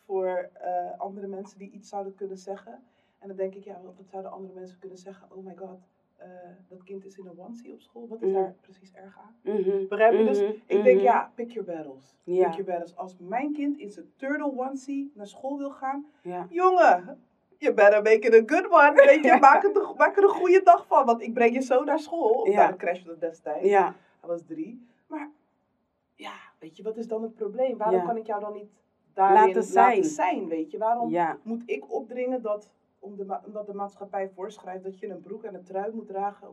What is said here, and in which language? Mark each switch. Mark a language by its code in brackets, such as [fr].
[nl] Voor andere mensen die iets zouden kunnen zeggen. En dan denk ik, ja, wat zouden andere mensen kunnen zeggen? [en] Oh my god, [nl] dat kind is in een onesie op school. Wat is daar precies erg aan? Mm-hmm. Begrijp je? Dus ik denk, ja, [en] pick your battles. Yeah. Pick your battles. [nl] Als mijn kind in zijn turtle onesie naar school wil gaan. [en] Yeah. Jongen, you better make it a good one. [nl] Weet je, maak er een goede dag van. Want ik breng je zo naar school. Of naar de crash van de destijds. [en] Yeah. [nl] Dat was 3. Maar ja, weet je, wat is dan het probleem? Waarom kan ik jou dan niet daarin laten zijn? Weet je, waarom moet ik opdringen dat... Omdat de maatschappij voorschrijft dat je een broek en een trui moet dragen.